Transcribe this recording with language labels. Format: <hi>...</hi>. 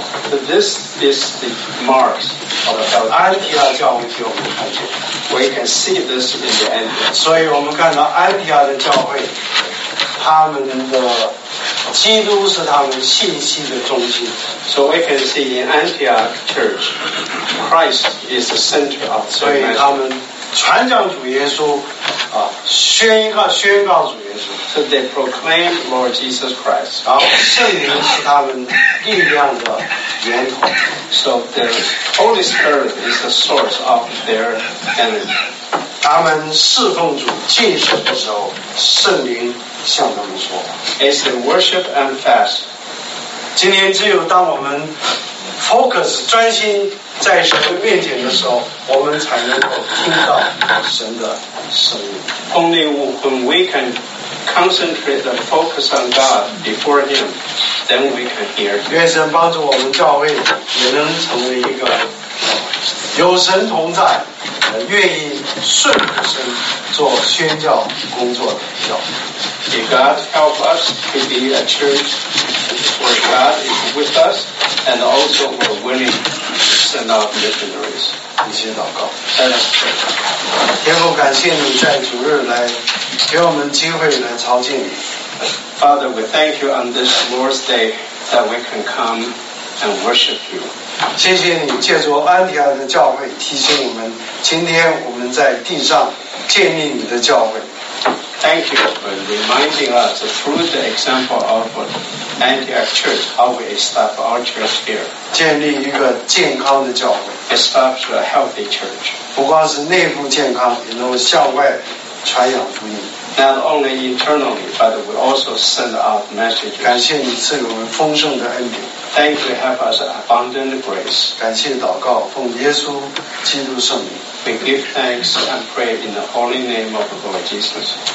<en>So this is the marks of the health.</en> <zh>安提阿教会给我们看见。</zh> <en>We can see this in the end.</en> <zh>所以我们看到安提阿的教会，他们的基督是他们信息的中心。</zh> <en>So we can see in Antioch Church, Christ is the center of the church.</en> <zh>所以他们传讲主耶稣，啊，宣告主耶稣。</zh> <en>So they proclaim Lord Jesus Christ.</en> <zh>然后圣灵是他们力量的源头。</zh> <en>So the Holy Spirit is the source of their energy.</en> <zh>他们侍奉主进食的时候，圣灵向他们说</zh> <en>：“It's the worship and fast。”</en> <zh>今天只有当我们 focus 专心在神的面前的时候，我们才能够听到神的声音。</zh> <en>Only when we can concentrate and focus on God before Him, then we can hear。</en> <zh>愿神帮助我们教会也能成为一个有神同在。愿意顺服神做宣教工作的教会。</zh> <en>May God help us to be a church where God is with us and also we're willing to send out missionaries.</en> <zh>一起祷告。</zh> <en>Let us pray.</en> <zh>天父，感谢你在主日来给我们机会来朝见你。</zh> <en>Father, we thank you on this Lord's day that we can come and worship you.</en> <zh>谢谢你借着安提阿的教会提醒我们，今天我们在地上建立你的教会。</zh> <en>Thank you for reminding us through the example of Antioch Church how we establish our church here.</en> <zh>建立一个健康的教会。</zh> <en>Establish a healthy church.</en> <zh>不光是内部健康，也能向外传扬福音。</zh> <en>Not only internally, but we also send out messages.</en> <zh>感谢你赐给我们丰盛的恩典。</zh> <en>Thank you, help us abundant grace.</en> <zh>感谢祷告，奉耶稣基督圣名。</zh> <en>We give thanks and pray in the holy name of the Lord Jesus.</en>